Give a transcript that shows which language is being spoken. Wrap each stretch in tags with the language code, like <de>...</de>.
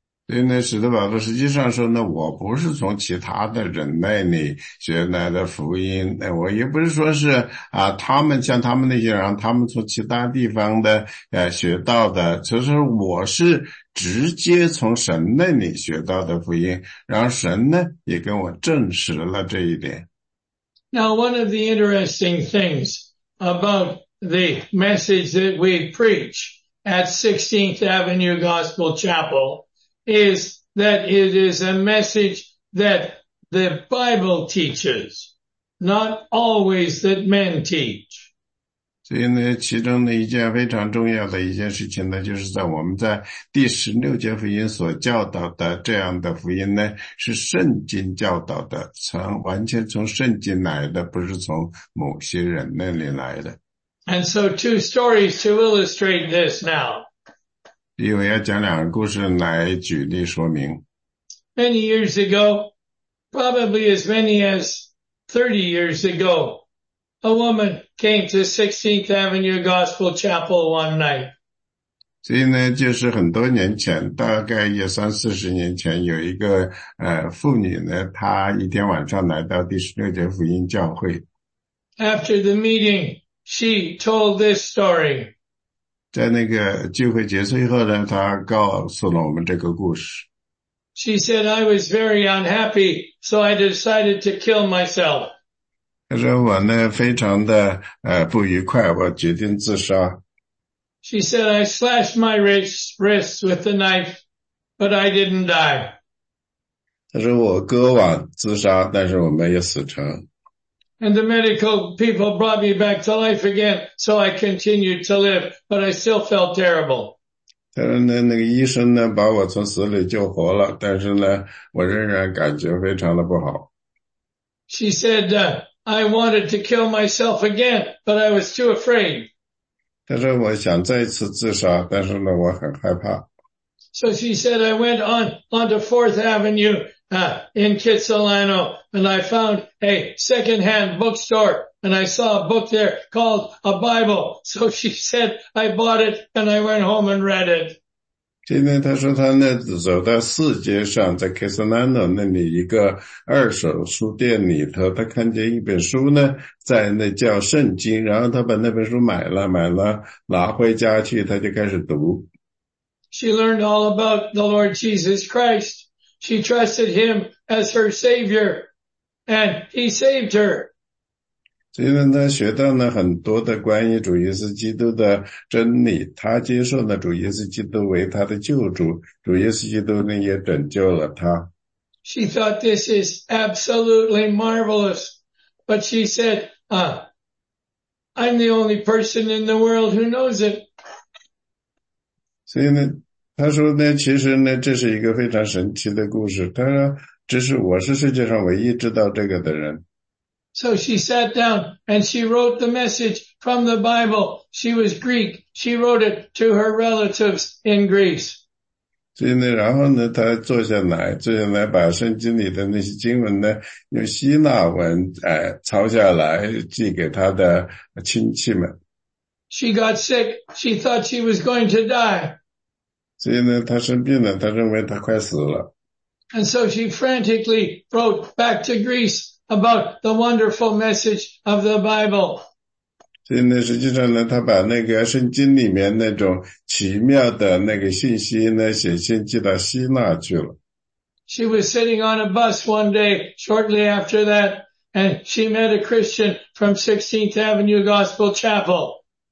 <zh>所以呢，使徒保罗实际上说呢，我不是从其他的人那里学来的福音，我也不是说是啊，他们像他们那些人，他们从其他地方的学到的，其实我是直接从神那里学到的福音，然后神呢也跟我证实了这一点。</zh> <en>Now, one of the interesting things about the message that we preach at 16th Avenue Gospel Chapel. Is that it is a message that the Bible teaches, not always that men teach.</en> <zh>所以呢，其中的一件非常重要的一件事情呢，就是在我们在第十六节福音所教导的这样的福音呢，是圣经教导的，完全从圣经来的，不是从某些人那里来的。</zh> <en>And so two stories to illustrate this now.</en> <zh>因为要讲两个故事来举例说明。</zh> <en>Many years ago, probably as many as 30 years ago, a woman came to 16th Avenue Gospel Chapel one night.</en> <zh>所以呢，就是很多年前，大概也三四十年前，有一个妇女呢，她一天晚上来到第十六节福音教会。</zh> <en>After the meeting, she told this story.</en> <zh>在那个聚会结束以后呢，他告诉了我们这个故事。</zh> <en>She said, I was very unhappy, so I decided to kill myself.</en> <zh>他说我呢非常的不愉快，我决定自杀。</zh> <en>She said, I slashed my wrists with the knife, but I didn't die.</en> <zh>他说我割腕自杀，但是我没有死成。</zh> <en>And the medical people brought me back to life again, so I continued to live, but I still felt terrible.</en> <zh>他说呢，那个医生呢，把我从死里救活了，但是呢，我仍然感觉非常的不好。</zh> <en>She said, I wanted to kill myself again, but I was too afraid.</en> <zh>他说我想再次自杀，但是呢，我很害怕。</zh> <en>So she said, I went on to Fourth Avenue, in Kitsilano, and I found a secondhand bookstore, and I saw a book there called A Bible. So she said, I bought it, and I went home and read it.</en> <zh>今天他说他那走到四街上，在 Kitsilano 那里一个二手书店里头，他看见一本书呢，在那叫圣经，然后他把那本书买了，拿回家去，他就开始读。</zh> <en>She learned all about the Lord Jesus Christ. She trusted him as her savior, and he saved her.</en> <zh>所以呢，他学到了很多的关于主耶稣基督的真理，他接受了主耶稣基督为他的救主，主耶稣基督呢也拯救了他。</zh> <en>She thought this is absolutely marvelous, but she said, I'm the only person in the world who knows it.</en> <zh>所以呢，他说呢，其实呢，这是一个非常神奇的故事。他说，这是我是世界上唯一知道这个的人。</zh> <en>So she sat down and she wrote the message from the Bible. She was Greek. She wrote it to her relatives in Greece.</en> <zh>所以呢，然后呢，他坐下来，把圣经里的那些经文呢，用希腊文抄下来，寄给他的亲戚们。</zh> <en>She got sick. She thought she was going to die.</en> <zh>所以呢，她生病了，她认为她快死了。</zh> <en>And so she frantically wrote back to Greece about the wonderful message of the Bible.</en> <zh>所以呢，实际上呢，她把那个圣经里面那种奇妙的那个信息呢，写信寄到希腊去了。</zh> <en>She was sitting on a bus one day shortly after that, and she met a Christian from 16th Avenue Gospel Chapel.</en>